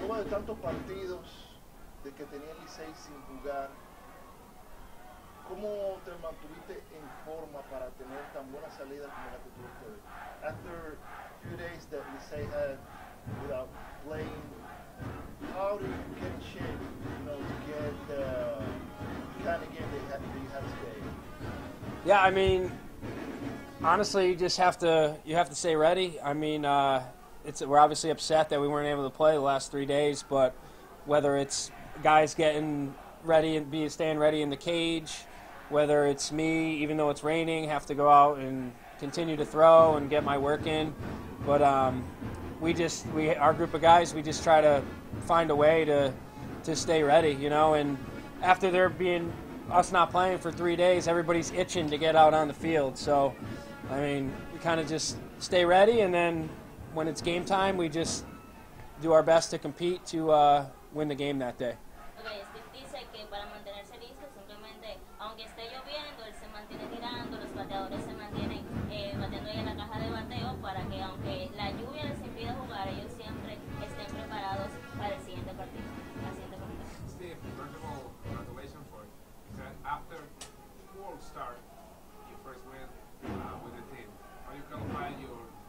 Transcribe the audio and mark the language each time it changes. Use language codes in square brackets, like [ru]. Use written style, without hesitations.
[es] Tantos partidos de que tenía el Licey sin jugar, ¿cómo te mantuviste en forma para tener tan buena salida como la que tuviste hoy? [en] After a few days that Licey had without playing, how did you get in shape, you know, to get the kind of game they had today? Yeah, I mean, honestly, you have to stay ready. I mean, we're obviously upset that we weren't able to play the last 3 days, but whether it's guys getting ready and staying ready in the cage, whether it's me, even though it's raining, have to go out and continue to throw and get my work in. But our group of guys, we just try to find a way to stay ready, you know. And after there being us not playing for 3 days, everybody's itching to get out on the field. So, I mean, we kind of just stay ready, and then when it's game time, we just do our best to compete to win the game that day. [es] Okay, Steve dice que para mantenerse listo, simplemente, aunque esté lloviendo, él se mantiene tirando, los bateadores se mantienen batiendo ahí en la caja de bateo para que aunque la lluvia les impida jugar, ellos siempre estén preparados para el siguiente partido. [en] Steve, first of all, congratulations for it. After full start, your first win with the team, are you going to find your